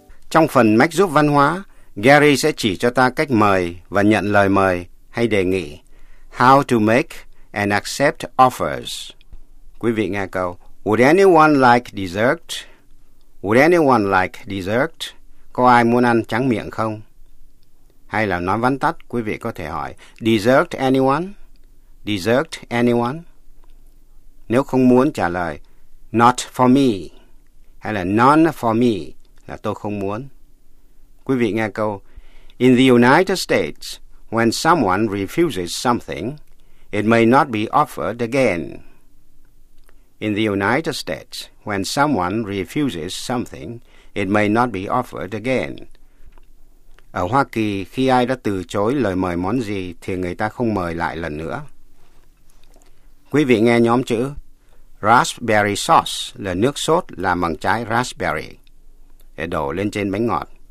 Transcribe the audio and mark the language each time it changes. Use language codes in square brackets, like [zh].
[vi] Trong phần mách giúp văn hóa, Gary sẽ chỉ cho ta cách mời và nhận lời mời hay đề nghị. [en] How to make and accept offers. [vi] Quý vị nghe câu. [en] Would anyone like dessert? Would anyone like dessert? [vi] Có ai muốn ăn tráng miệng không? Hay là nói vắn tắt, quý vị có thể hỏi, [en] dessert anyone? Dessert anyone? [vi] Nếu không muốn trả lời, [en] not for me, [vi] hay là [en] none for me, [vi] là tôi không muốn. Quý vị nghe câu, [en] in the United States, when someone refuses something, it may not be offered again. In the United States, when someone refuses something, it may not be offered again. [vi] Ở Hoa Kỳ, khi ai đã từ chối lời mời món gì thì người ta không mời lại lần nữa. Quý vị nghe nhóm chữ raspberry sauce là nước sốt làm bằng trái raspberry để đổ lên trên bánh ngọt.